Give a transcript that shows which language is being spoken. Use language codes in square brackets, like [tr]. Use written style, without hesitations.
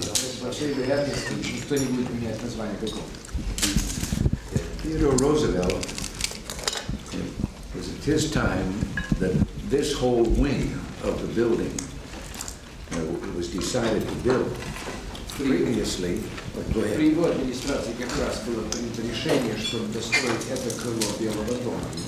[ru] С большой вероятностью никто не будет менять название какого. [en] Theodore Roosevelt, is it his time that this whole wing of the building was decided to build previously? [ru] При его администрации как раз было принято решение, чтобы достроить это крыло Белого дома.